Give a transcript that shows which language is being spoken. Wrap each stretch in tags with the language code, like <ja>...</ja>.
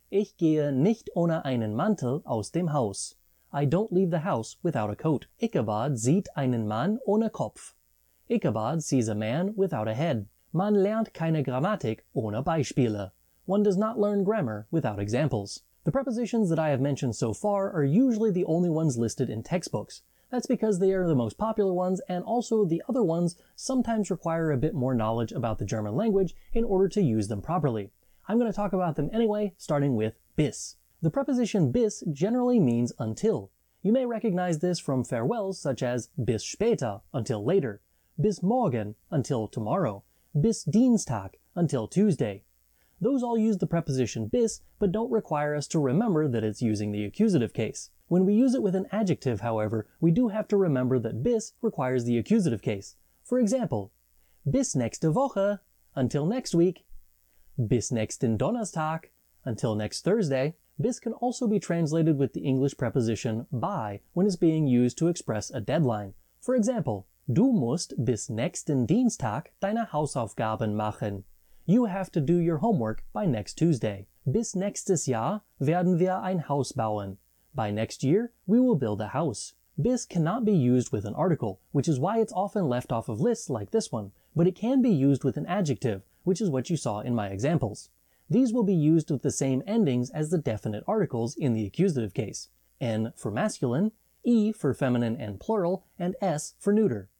<de>Ich gehe nicht ohne einen Mantel aus dem Haus.</de> <en>I don't leave the house without a coat.</en> <de>Ichabod sieht einen Mann ohne Kopf.</de> <en>Ichabod sees a man without a head.</en> <de>Man lernt keine Grammatik ohne Beispiele.</de> <en>One does not learn grammar without examples. The prepositions that I have mentioned so far are usually the only ones listed in textbooks. That's because they are the most popular ones, and also the other ones sometimes require a bit more knowledge about the German language in order to use them properly. I'm going to talk about them anyway, starting with bis. The preposition bis generally means until. You may recognize this from farewells such as</en> <de>bis später,</de> <en>until later,</en> <de>bis morgen,</de> <en>until tomorrow,</en> <de>bis Dienstag,</de> <en>until Tuesday. Those all use the preposition bis, but don't require us to remember that it's using the accusative case. When we use it with an adjective, however, we do have to remember that bis requires the accusative case. For example,</en> <de>bis nächste Woche,</de> <en>until next week,</en> <de>bis nächsten Donnerstag,</de> <en>until next Thursday. Bis can also be translated with the English preposition by when it's being used to express a deadline. For example,</en> <de>du musst bis nächsten Dienstag deine Hausaufgaben machen.</de> <en>You have to do your homework by next Tuesday.</en> <de>Bis nächstes Jahr werden wir ein Haus bauen.</de> <en>By next year, we will build a house. Bis cannot be used with an article, which is why it's often left off of lists like this one, but it can be used with an adjective, which is what you saw in my examples. These will be used with the same endings as the definite articles in the accusative case. N for masculine, E for feminine and plural, and S for neuter.</en>